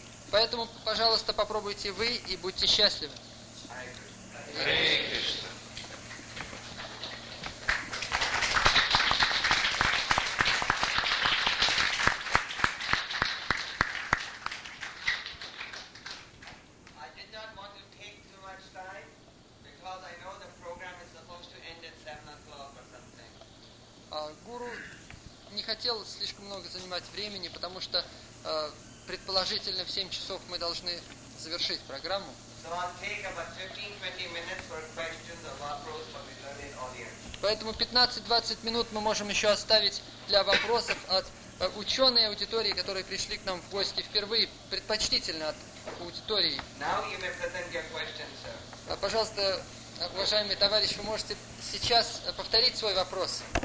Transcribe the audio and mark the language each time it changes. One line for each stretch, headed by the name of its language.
Russian: Поэтому, пожалуйста, попробуйте вы и будьте счастливы.
English: I did not want to take too much time because I know the program is supposed to end at 7 o'clock or something.
Russian: Гуру не хотел слишком много занимать времени, потому что предположительно в 7 часов мы должны завершить программу.
English: So I'll take about 15-20 minutes for questions or
Russian: вопрос
English: from the learned audience.
Russian: Поэтому 15-20 минут мы можем еще оставить для вопросов от ученой аудитории, которые пришли к нам в гости впервые, предпочтительно от аудитории.
English: Now you may present your question, sir.
Russian: Пожалуйста, уважаемый товарищ, вы можете сейчас повторить свой вопрос.